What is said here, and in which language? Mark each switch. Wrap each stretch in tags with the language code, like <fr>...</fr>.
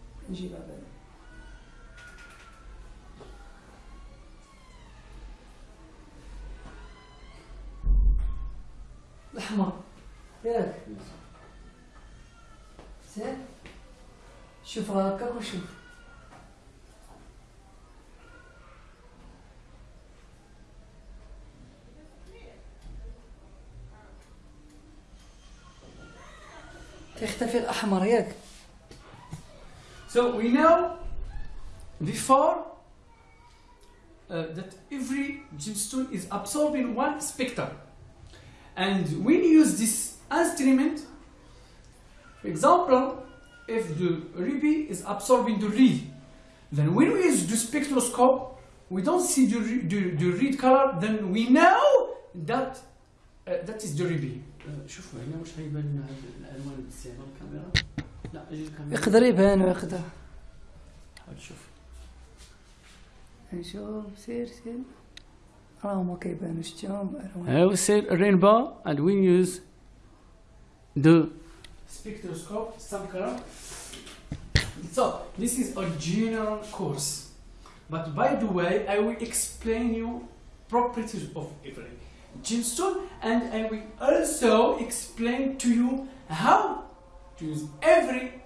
<ar>نجي بعد الاحمر ياك سير شوف هكا وشوف تختفي الأحمر ياك.</ar> <en>So we know before that every gemstone is absorbing one spectrum, and when you use this instrument, for example, if the ruby is absorbing the red, then when we use the spectroscope, we don't see the red color. Then we know that that is the ruby.</en> <ar>شوفوا هنا واش غيبان لنا هاد الالوان اللي استعمل الكاميرا لا اجي الكاميرا يقدر يبان ويقدر حاول تشوف نشوف سير سير راهو ما كيبانوش تيهم</ar> <en>how sir rainbow and when use the spectroscope some carat so this is a general course but by the way I will explain you properties of every gemstone, and I will also explain to you how to use every</en>